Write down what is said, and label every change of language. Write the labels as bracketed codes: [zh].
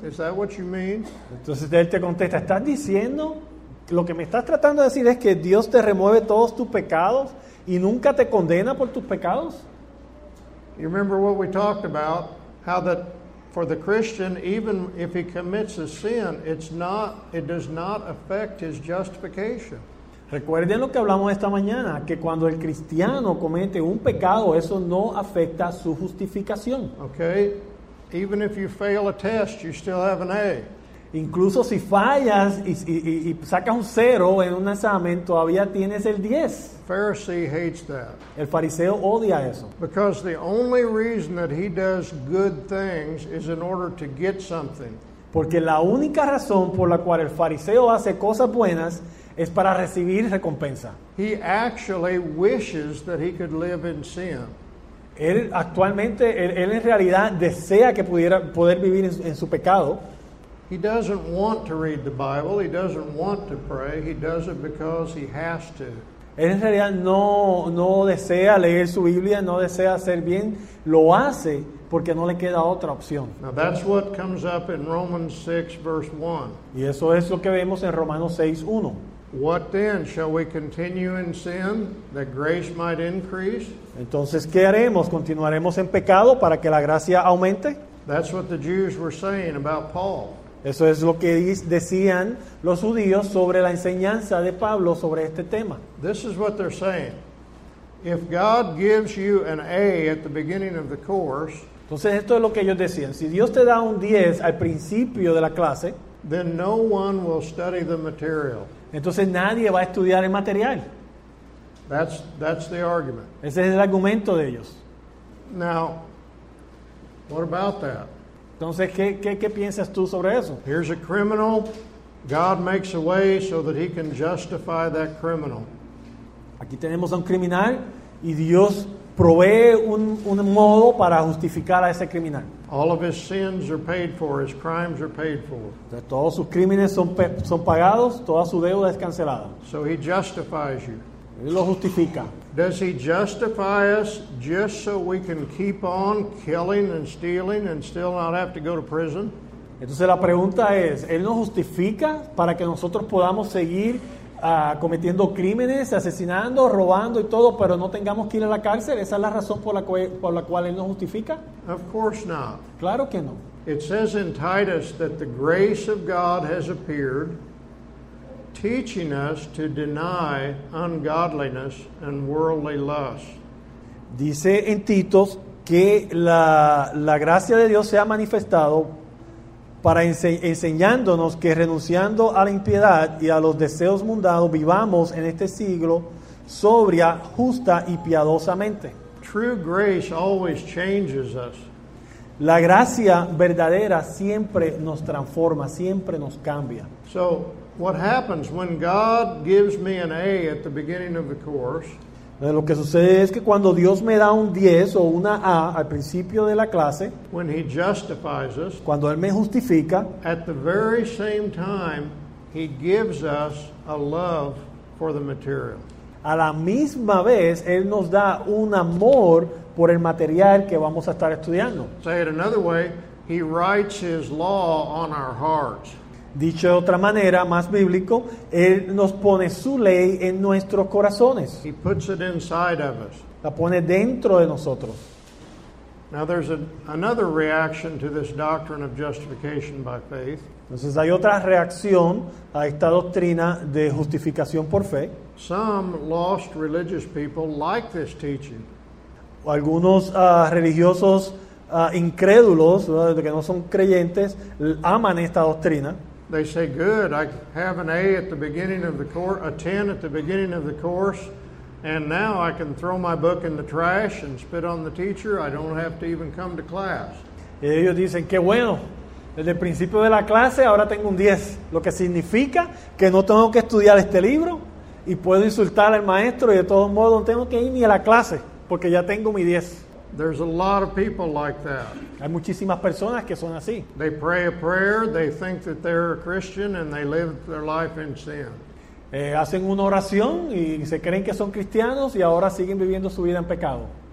[en] Is that what you mean? [es] Entonces él te contesta, ¿estás diciendo? Lo que me estás tratando de decir es que Dios te remueve todos tus pecados y nunca te condena por tus pecados. [en] You remember what we talked about, how that for the Christian, even if he commits a sin, it does not affect his justification. [es] Recuerden lo que hablamos esta mañana, que cuando el cristiano comete un pecado, eso no afecta su justificación. [en] Okay, even if you fail a test, you still have an A. [es] Incluso si fallas y sacas un cero en un examen, todavía tienes el 10. [en] Pharisee hates that. [es] El fariseo odia eso. [en] Because the only reason that he does good things is in order to get something. [es] Porque la única razón por la cual el fariseo hace cosas buenas es para recibir recompensa. [en] He actually wishes that he could live in sin. [es] Él actualmente, él en realidad desea que pudiera poder vivir en su pecado. [en] He doesn't want to read the Bible. He doesn't want to pray. He does it because he has to. [es] Él en realidad no desea leer su Biblia, no desea hacer bien. Lo hace porque no le queda otra opción. [en] Now that's what comes up in Romans 6, verse 1. [es] Y eso es lo que vemos en Romanos 6, 1. [en] What then? Shall we continue in sin that grace might increase? [es] Entonces, ¿qué haremos? ¿Continuaremos en pecado para que la gracia aumente? [en] That's what the Jews were saying about Paul. [es] Eso es lo que decían los judíos sobre la enseñanza de Pablo sobre este tema. [en] This is what they're saying. If God gives you an A at the beginning of the course, [es] entonces esto es lo que ellos decían. Si Dios te da un 10 al principio de la clase, [en] then no one will study the material. [es] Entonces nadie va a estudiar el material. [en] That's the argument. [es] Ese es el argumento de ellos. [en] Now, what about that? [es] Entonces, ¿qué piensas tú sobre eso? [en] Here's a criminal. God makes a way so that he can justify that criminal. [es] Aquí tenemos a un criminal y Dios provee un modo para justificar a ese criminal. [en] All of his sins are paid for, his crimes are paid for. [es] De todos sus crímenes son pagados, toda su deuda es cancelada. [en] So he justifies you. [es] Él lo justifica. [en] Does he justify us just so we can keep on killing and stealing and still not have to go to prison? [es] Entonces la pregunta es, ¿él nos justifica para que nosotros podamos seguir cometiendo crímenes, asesinando, robando y todo, pero no tengamos que ir a la cárcel? ¿Esa es la razón por la cual él nos justifica? [en] Of course not. [es] Claro que no. [en] It says in Titus that the grace of God has appeared, teaching us to deny ungodliness and worldly lust. [es] Dice en Titos que la gracia de Dios se ha manifestado para enseñándonos que renunciando a la impiedad y a los deseos mundanos vivamos en este siglo sobria, justa y piadosamente. [en] True grace always changes us. [es] La gracia verdadera siempre nos transforma, siempre nos cambia. [en] So, what happens when God gives me an A at the beginning of the course? [es] Lo que sucede es que cuando Dios me da un 10 o una A al principio de la clase, [en] when he justifies us, [es] cuando Él me justifica, [en] at the very same time, he gives us a love for the material. [es] A la misma vez, Él nos da un amor por el material que vamos a estar estudiando. [en] Say it another way, he writes his law on our hearts. [es] Dicho de otra manera, más bíblico, Él nos pone su ley en nuestros corazones. [en] He puts it inside of us. [es] La pone dentro de nosotros. [en] Now there's another reaction to this doctrine of justification by faith. [es] Entonces hay otra reacción a esta doctrina de justificación por fe. [en] Some lost religious people like this teaching. [es] Algunos religiosos incrédulos, ¿verdad?, que no son creyentes, aman esta doctrina. [en] They say, good, I have an A at the beginning of the course, a 10 at the beginning of the course, and now I can throw my book in the trash and spit on the teacher. I don't have to even come to class. [es] Y ellos dicen, qué bueno, desde el principio de la clase ahora tengo un 10, lo que significa que no tengo que estudiar este libro y puedo insultar al maestro y de todos modos no tengo que ir ni a la clase porque ya tengo mi 10. [en] There's a lot of people like that. [es] Hay muchísimas personas que son así. [en] They pray a prayer, they think that they're a Christian, and they live their life in sin. [es] Hacen una oración y se creen que son cristianos y ahora siguen viviendo su vida en pecado.